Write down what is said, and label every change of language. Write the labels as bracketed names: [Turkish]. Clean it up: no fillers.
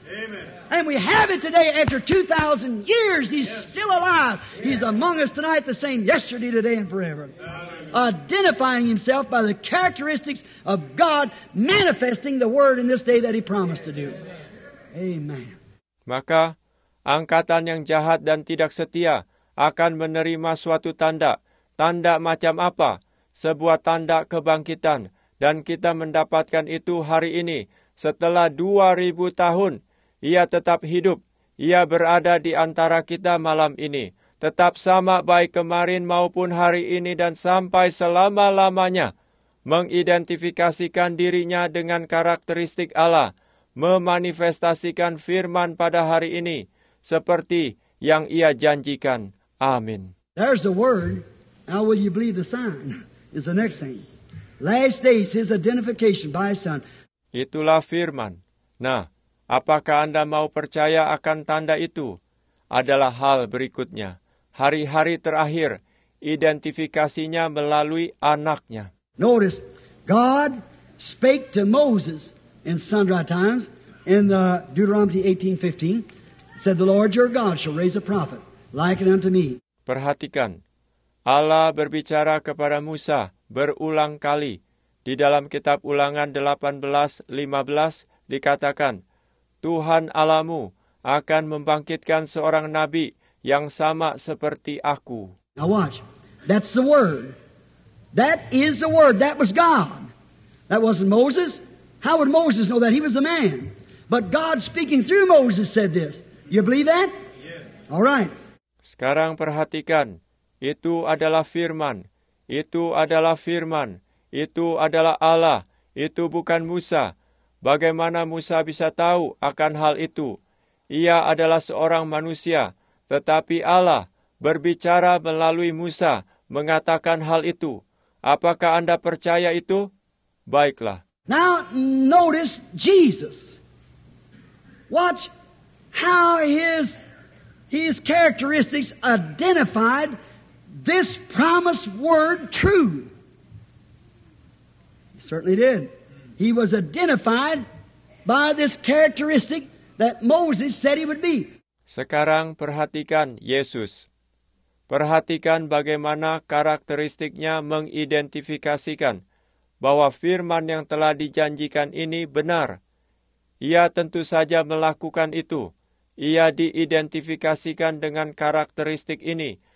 [English] Amen. And we have it today after 2,000 years. He's still alive. Amen. He's among us tonight, the same yesterday, today, and forever. Amen. Identifying himself by the characteristics of God, manifesting the word in this day that he promised to do. Amen. [Indonesian] Maka, angkatan yang jahat dan tidak setia akan menerima suatu tanda. Tanda macam apa? Sebuah tanda kebangkitan. Dan kita mendapatkan itu hari ini. Setelah 2000 tahun, ia tetap hidup. Ia berada di antara kita malam ini. Tetap sama baik kemarin maupun hari ini dan sampai selama-lamanya. Mengidentifikasikan dirinya dengan karakteristik Allah. Memanifestasikan firman pada hari ini. Seperti yang ia janjikan. Amin. [English] There's the word. Now will you believe the sign is the next thing. Last days, his identification by his son. [Indonesian] Itulah firman. Nah, apakah Anda mau percaya akan tanda itu? Adalah hal berikutnya. Hari-hari terakhir, identifikasinya melalui anaknya. [English] Notice, God spake to Moses in sundry times in the Deuteronomy 18:15. Said, the Lord your God shall raise a prophet like it unto me. [Indonesian] Perhatikan. Allah berbicara kepada Musa berulang kali. Di dalam kitab Ulangan 18:15 dikatakan, Tuhan Allahmu akan membangkitkan seorang nabi yang sama seperti aku. [English] Now watch. That's the word. That is the word. That was God. That wasn't Moses. How would Moses know that? He was a man. But God speaking through Moses said this. You believe that? Yes. All right. [Indonesian] Sekarang perhatikan. Itu adalah firman, itu adalah firman, itu adalah Allah, itu bukan Musa. Bagaimana Musa bisa tahu akan hal itu? Ia adalah seorang manusia, tetapi Allah berbicara melalui Musa mengatakan hal itu. Apakah Anda percaya itu? Baiklah. [English] Now notice Jesus. Watch how his characteristics identified this promised word true. He certainly did. He was identified by this characteristic that Moses said he would be. [Indonesian] Sekarang perhatikan Yesus. Perhatikan bagaimana karakteristiknya mengidentifikasikan bahwa firman yang telah dijanjikan ini benar. Ia tentu saja melakukan itu. Ia diidentifikasikan dengan karakteristik ini.